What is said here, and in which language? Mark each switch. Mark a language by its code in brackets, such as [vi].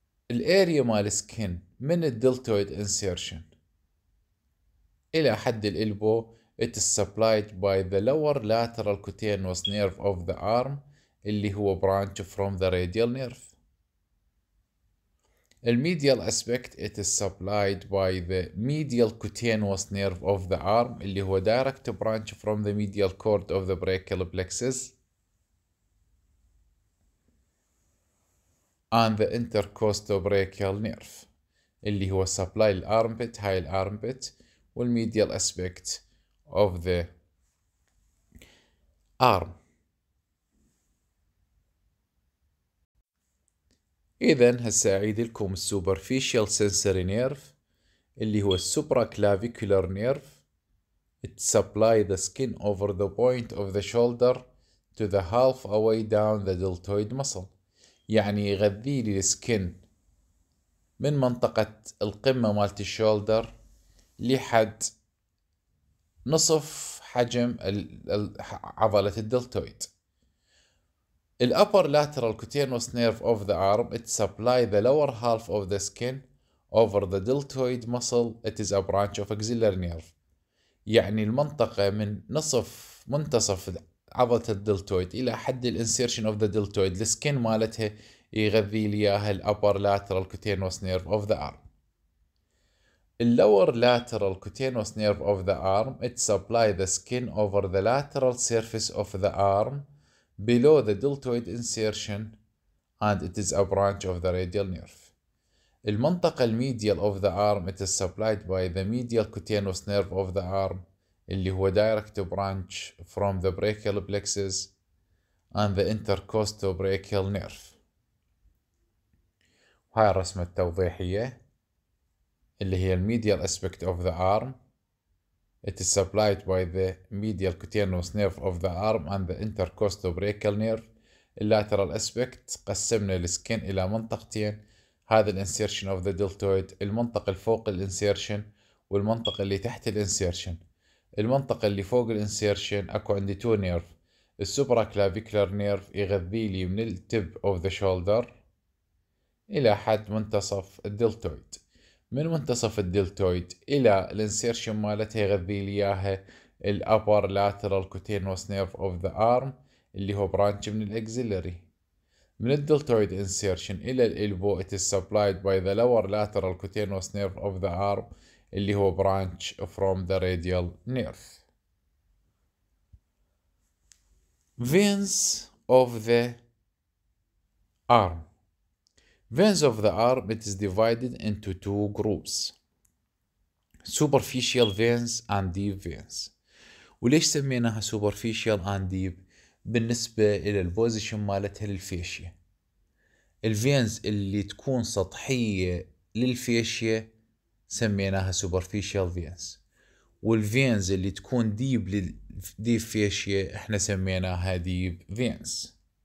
[en] الاريا [ar] مال [en] السكن من الدلتويد انسيرشن [ar] الى حد [en] الالبو at supplied by the lower lateral cutaneous nerve of the arm [ar] اللي هو [en] Branch from the radial nerve. الميديال aspect it is supplied by the medial cutaneous nerve of the arm [ar] اللي هو [en] direct branch from the medial cord of the brachial plexus and the intercostal brachial nerve اللي هو supply the armpit, [ar] هاي [en] الarmpit والميديال aspect of the arm. [ar] إذن هسا أعيد لكم [en] superficial sensory nerve [ar] اللي هو supraclavicular nerve. [en] It supply the skin over the point of the shoulder to the half away down the deltoid muscle. [ar] يعني يغذي لي السكن من منطقة القمة مالت الشولدر لحد نصف حجم عضلة الدلتويد. [en] The upper lateral cutaneous nerve of the arm it supply the lower half of the skin over the deltoid muscle it is a branch of axillary nerve. [ar] يعني المنطقة من نصف منتصف عضلة الدلتويد إلى حد الانسيرشن [en] of the deltoid [ar] السكن مالتها يغذي لياها ال [en] upper lateral cutaneous nerve of the arm. The lower lateral cutaneous nerve of the arm it supply the skin over the lateral surface of the arm below the deltoid insertion and it is a branch of the radial nerve. [ar] المنطقة [en] الميديال of the arm it is supplied by the medial cutaneous nerve of the arm [ar] اللي هو [en] direct branch from the brachial plexus and the intercostal brachial nerve. [ar] هاي الرسمة التوضيحية اللي هي الميديال [en] aspect of the arm. It is supplied by the medial cutaneous nerve of the arm and the intercostal brachial nerve. [ar] اللاترال aspect قسمنا السكين إلى منطقتين، هذا الانسيرشن [en] of the deltoid، [ar] المنطقة الفوق الانسيرشن والمنطقة اللي تحت الانسيرشن. المنطقة اللي فوق الانسيرشن أكو عندي [en] two nerve, [ar] السوبراكلافيكلر نيرف يغذي لي من التب [en] of the shoulder [ar] إلى حد منتصف الدلتويد. من منتصف الدلتويد إلى الانسيرشن مالتها يغذي لي إياها الأبر لاترال كوتينوس نيرف [en] of the arm [ar] اللي هو برانش من الأكزيلري. من الدلتويد انسيرشن إلى الإلبو [en] it is supplied by the lower lateral cutaneous nerve of the arm [ar] اللي هو [en] branch from the radial nerve. Veins of the arm. Veins of the arm it is divided into two groups. Superficial veins and deep veins. [ar] وليش سميناها [en] superficial and deep؟ [ar] بالنسبة إلى البوزيشن مالتها للفيشية. الفينز اللي تكون سطحية للفيشية سميناها [en] superficial veins، [ar] والفينز اللي تكون ديب للديب فيشية احنا سميناها [en] Deep veins.